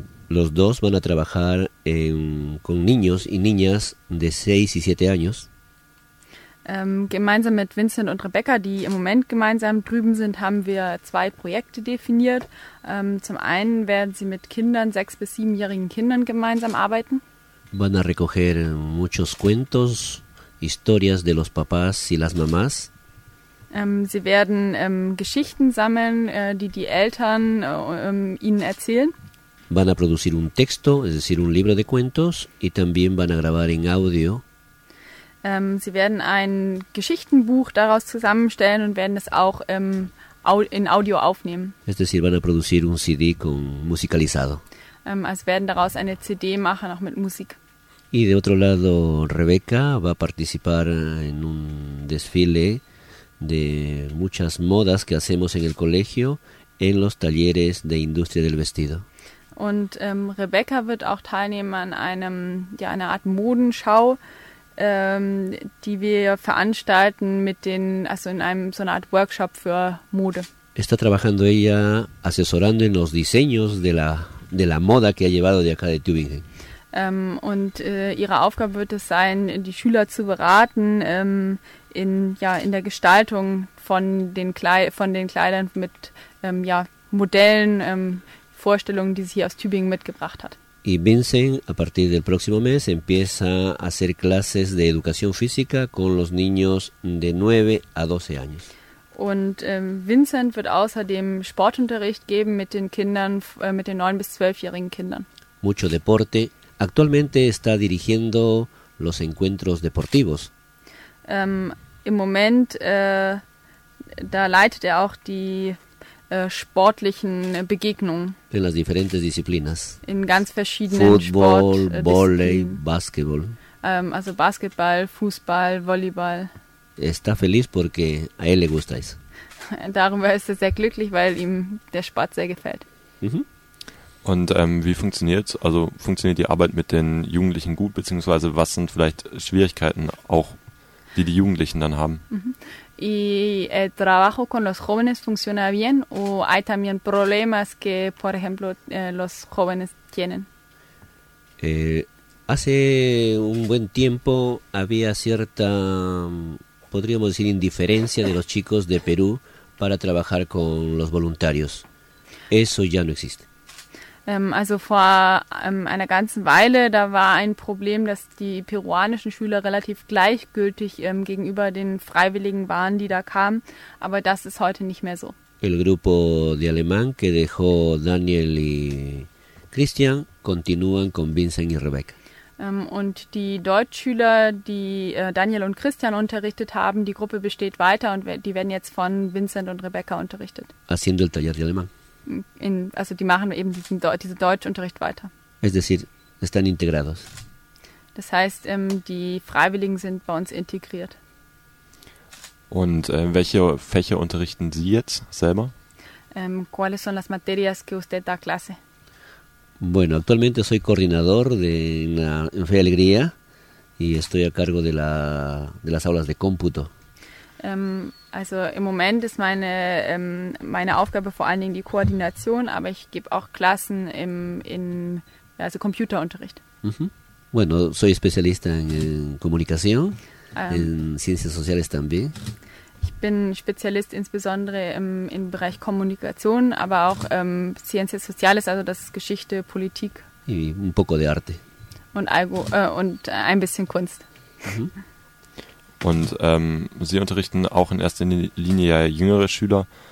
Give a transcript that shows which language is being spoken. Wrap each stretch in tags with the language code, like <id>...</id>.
<es>Los dos van a trabajar con niños y niñas de 6 y 7 años.</es> <de>Gemeinsam mit Vincent und Rebecca, die im Moment gemeinsam drüben sind, haben wir zwei Projekte definiert. Zum einen werden sie mit Kindern, 6- bis 7-jährigen Kindern gemeinsam arbeiten.</de> <es>Van a recoger muchos cuentos, historias de los papás y las mamás.</es> <de>Sie werden Geschichten sammeln, die Eltern ihnen erzählen.</de> <es>Van a producir un texto, es decir, un libro de cuentos, y también van a grabar en audio.</es> <de>Sie werden ein Geschichtenbuch daraus zusammenstellen und werden es auch in Audio aufnehmen.</de> <es>Es decir, van a producir un CD con musicalizado.</es> <de>Also werden daraus eine CD machen, auch mit Musik.</de> <es>Y de otro lado, Rebeca va a participar en un desfile de muchas modas que hacemos en el colegio en los talleres de industria del vestido.</es> <de>Und Rebecca wird auch teilnehmen an einem einer Art Modenschau, die wir veranstalten mit den also in einem so einer Art Workshop für Mode.</de> <es>Está trabajando ella asesorando en los diseños de la moda que ha llevado de acá de Tübingen.</es> <de>Ihre Aufgabe wird es sein, die Schüler zu beraten, in der Gestaltung von den Kleidern mit Modellen, Vorstellungen, die sie hier aus Tübingen mitgebracht hat.</de> <es>Y Vincent, a partir del próximo mes, empieza a hacer clases de educación física con los niños de 9 a 12 años.</es> <de>Und Vincent wird außerdem Sportunterricht geben mit den Kindern, mit den 9- bis 12-jährigen Kindern.</de> <es>Mucho deporte. Actualmente está dirigiendo los encuentros deportivos.</es> <de>Im Moment da leitet auch die sportlichen Begegnungen.</de> <es>En las diferentes disciplinas.</es> <de>In ganz verschiedenen Fußball,</de> <es>Volley, Basketball.</es> <de>Also Basketball, Fußball, Volleyball.</de> <es>Está feliz porque a él le gusta eso.</es> <de>Darüber ist er sehr glücklich, weil ihm der Sport sehr gefällt. Mhm. Und wie funktioniert die Arbeit mit den Jugendlichen gut, beziehungsweise was sind vielleicht Schwierigkeiten auch, die die Jugendlichen dann haben?</de> <es>Y el trabajo con los jóvenes funciona bien o hay también problemas que, por ejemplo, los jóvenes tienen? Hace un buen tiempo había cierta podríamos decir, indiferencia de los chicos de Perú para trabajar con los voluntarios. Eso ya no existe.</es> <de>Also vor einer ganzen Weile, da war ein Problem, dass die peruanischen Schüler relativ gleichgültig gegenüber den Freiwilligen waren, die da kamen. Aber das ist heute nicht mehr so.</de> <es>El grupo de alemán que dejó Daniel y Christian continúan con Vincent y Rebecca.</es> <de>Und die Deutschschüler, die Daniel und Christian unterrichtet haben, die Gruppe besteht weiter und die werden jetzt von Vincent und Rebecca unterrichtet.</de> <es>Haciendo el taller de alemán.</es> <de>Also die machen eben diesen Deutschunterricht weiter.</de> <es>Es decir, están integrados.</es> <de>Das heißt, die Freiwilligen sind bei uns integriert. Und welche Fächer unterrichten Sie jetzt selber?</de> <es>¿Cuáles son las materias que usted da clase? Bueno, actualmente soy coordinador en Fe y Alegría y estoy a cargo de las aulas de cómputo.</es> <de>Also im Moment ist meine Aufgabe vor allen Dingen die Koordination, aber ich gebe auch Klassen also Computerunterricht. Mm-hmm.</de> <es>Bueno, soy especialista en comunicación, en ciencias sociales también.</es> <de>Ich bin Spezialist insbesondere im Bereich Kommunikation, aber auch Ciencias Sociales, also das ist Geschichte, Politik.</de> <es>Y un poco de arte.</es> <de>Und ein bisschen Kunst. Mhm. Und Sie unterrichten auch in erster Linie ja jüngere Schüler.</de>